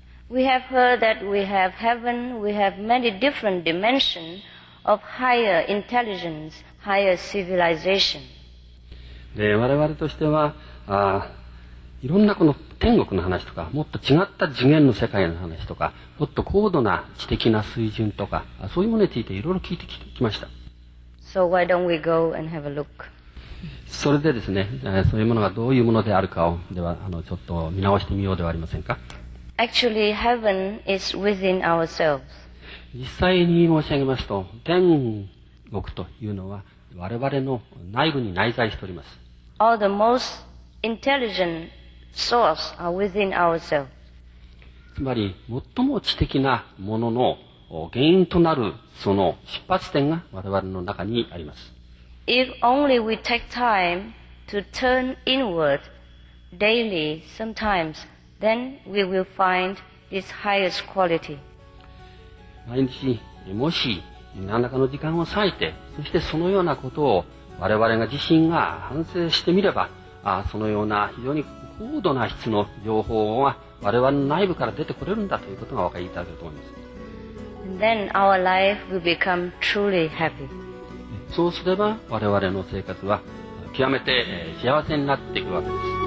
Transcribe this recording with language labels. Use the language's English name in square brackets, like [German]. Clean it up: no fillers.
[English] We have heard that we have heaven, we have many different dimensions of higher intelligence, higher civilization. [Japanese] で、我々としては、いろんなこの天国の話とか、もっと違った次元の世界の話とか、もっと高度な知的な水準とか、そういうものについていろいろ聞いてきました。 [English] So why don't we go and have a look? [Japanese] それでですね、そういうものがどういうものであるかを、ではちょっと見直してみようではありませんか。 [English] Actually, heaven is within ourselves. [Japanese] 実際に申し上げますと、天国というのは我々の内部に内在しております。 [English] All the most intelligent source are within ourselves. [Japanese] つまり最も知的なものの原因となるその出発点が我々の中にあります。 [English] If only we take time to turn inward daily, sometimes, then we will find this highest quality. [Japanese] 毎日もし何らかの時間を割いて、そしてそのようなことを我々が自身が反省してみれば、そのような非常に高度な質の情報が我々の内部から出てこれるんだということがお分かりいただけると思います。 [English] And then our life will become truly happy. [Japanese] そうすれば我々の生活は極めて幸せになっていくわけです。